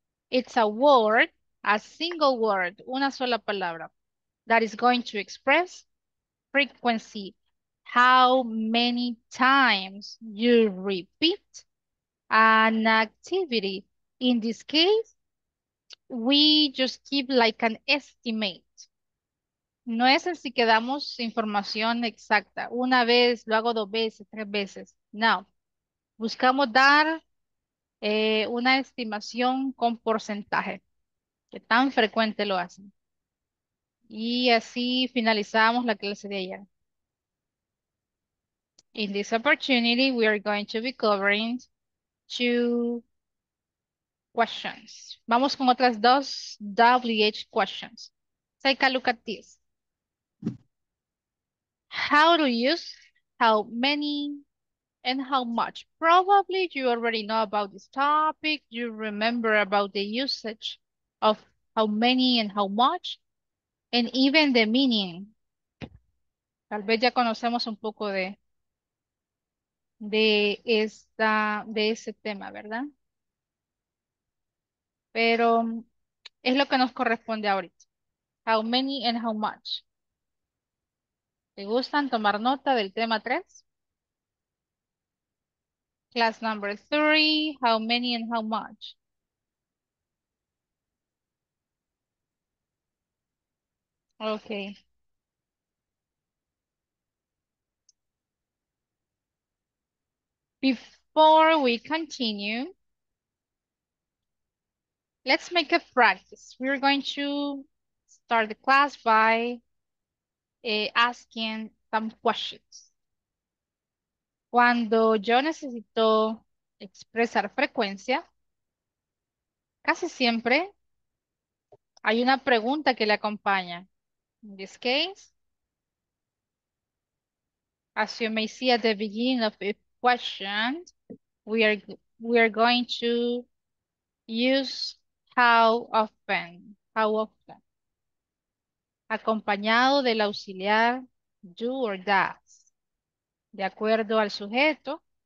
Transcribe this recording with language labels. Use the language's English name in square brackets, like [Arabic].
[English] It's a word, a single word, [Spanish] una sola palabra, [English] that is going to express frequency. How many times you repeat an activity. In this case, we just keep like an estimate. [Spanish] No es así que damos información exacta. Una vez, lo hago dos veces, tres veces. No. Buscamos dar una estimación con porcentaje. Qué tan frecuente lo hacen. Y así finalizamos la clase de ayer. [English] In this opportunity, we are going to be covering two questions. [Spanish] Vamos con otras dos [English] WH questions. Take a look at this. How to use, how many, and how much? Probably you already know about this topic. You remember about the usage of how many and how much, and even the meaning. [Spanish] Tal vez ya conocemos un poco de ese tema, ¿verdad? Pero es lo que nos corresponde ahorita. [English] How many and how much? [Spanish] ¿Te gustan tomar nota del tema 3? [English] Class number 3, how many and how much? Okay. Before we continue, let's make a practice. We're going to start the class by asking some questions. [Spanish] Cuando yo necesito expresar frecuencia, casi siempre hay una pregunta que le acompaña. [English] In this case, as you may see at the beginning of a question, we are going to use how often, how often, [Spanish] acompañado del auxiliar [English] do or does, [Spanish] de acuerdo al sujeto.